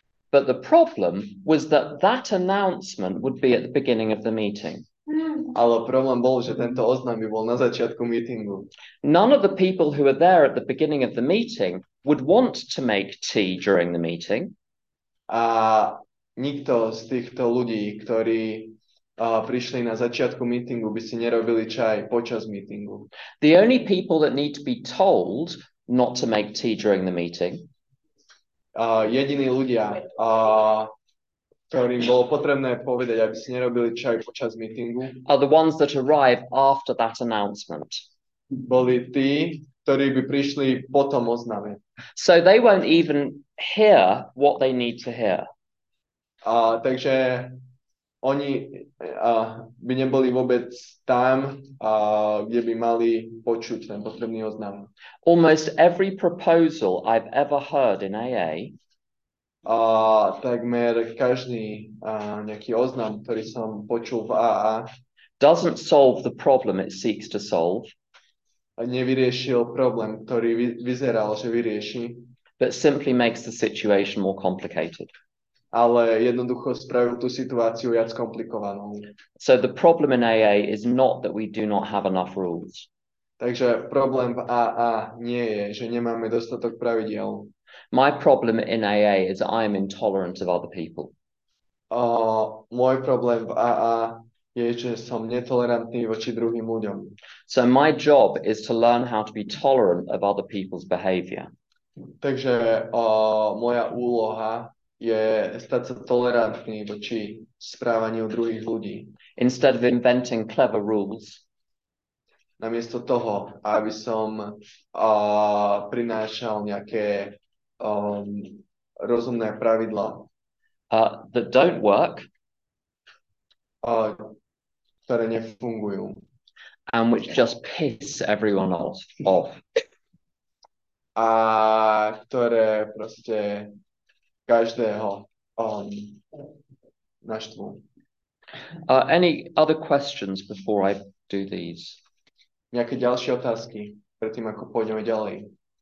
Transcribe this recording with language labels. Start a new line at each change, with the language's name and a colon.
English: But the problem was that that announcement would be at the beginning of the meeting.
Slovak: Ale problém bol, že tento oznam by bol na začiatku meetingu.
English: None of the people who were there at the beginning of the meeting would want to make tea during the meeting.
Slovak: A nikto z týchto ľudí, ktorí prišli na začiatku meetingu, by si nerobili čaj počas meetingu.
English: The only people that need to be told not to make tea during the meeting.
Slovak: Jediní ľudia, ktorým bolo potrebné povedať, aby si nerobili čaj počas meetingu,
English: are the ones that arrive after that announcement.
Slovak: Boli tí, ktorí by prišli po tom oznáme.
English: So they won't even hear what they need to hear.
Slovak: Takže oni by neboli vôbec tam, kde by mali počuť ten potrebný oznam.
English: Almost every proposal I've ever heard in AA.
Slovak: Takmer každý nejaký oznam, ktorý som počul v AA,
English: doesn't solve the problem it seeks to solve.
Slovak: Nevyriešil problém, ktorý vyzeral, že vyrieši.
English: But simply makes the situation more complicated.
Slovak: Ale jednoducho spravil tú situáciu viac komplikovanou.
English: So the problem in AA is not that we do not have enough rules.
Slovak: Takže problém v AA nie je, že nemáme dostatok pravidiel.
English: My problem in AA is I am intolerant of other people.
Slovak: Môj problém v AA je, že som netolerantný voči druhým ľuďom.
English: So my job is to learn how to be tolerant of other people's behavior.
Slovak: Takže moja úloha je stať sa tolerantný voči správaniu druhých ľudí.
English: Instead of inventing clever rules.
Slovak: Namiesto toho, aby som prinášal nejaké rozumné pravidlá.
English: That don't work.
Slovak: Ktoré nefungujú.
English: And which just piss everyone else off.
Slovak: A ktoré proste každého naštvú.
English: Any other questions before I do these?
Slovak: Nejaké ďalšie otázky predtým, ako pôjdeme ďalej?